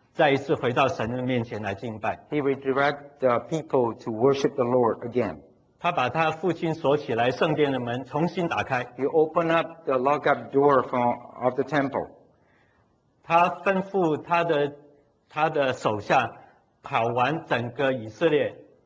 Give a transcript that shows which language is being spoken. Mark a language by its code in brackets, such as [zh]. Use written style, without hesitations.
[zh] 他重新引领百姓再一次回到神的面前来敬拜。 [en] He redirect the people to worship the Lord again. [zh] 他把他父亲锁起来圣殿的门重新打开。 [en] He opened up the lock up door of the temple. [zh] 他吩咐他的手下跑完整个以色列。